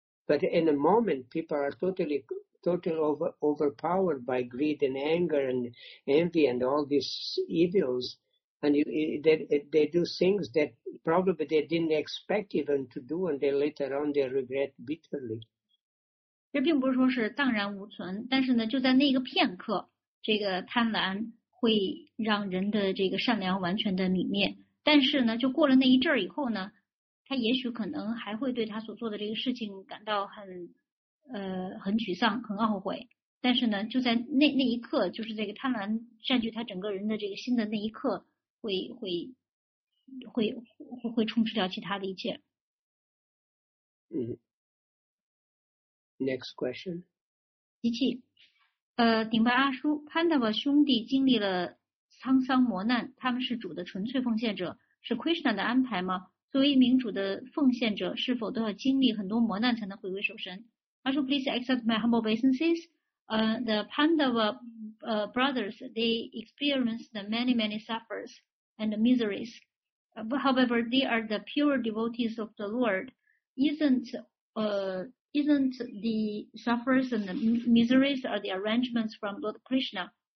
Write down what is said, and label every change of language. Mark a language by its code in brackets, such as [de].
[en] But in a moment, people are totally overpowered by greed and anger and envy and all these evils. And they do things that probably they didn't expect even to do, and then later on they regret bitterly. [zh] 这并不是说是荡然无存，但是呢，就在那个片刻，这个贪婪会让人的这个善良完全的泯灭。但是呢，就过了那一阵儿以后呢，他也许可能还会对他所做的这个事情感到很沮丧，很懊悔。但是呢，就在那一刻，就是这个贪婪占据他整个人的这个心的那一刻，会充斥掉其他的一切。 [en] 嗯。Next question. [zh] 机器，顶白阿叔，潘达瓦兄弟经历了沧桑磨难，他们是主的纯粹奉献者，是 Krishna 的安排吗？作为一名主的奉献者，是否都要经历很多磨难才能回归守神？ [en] 阿叔 ，please accept my humble obeisances. The Pandava brothers, they experienced many many suffers and miseries. However, they are the pure devotees of the Lord. Isn't the sufferers and the miseries are the arrangements from Lord Krishna?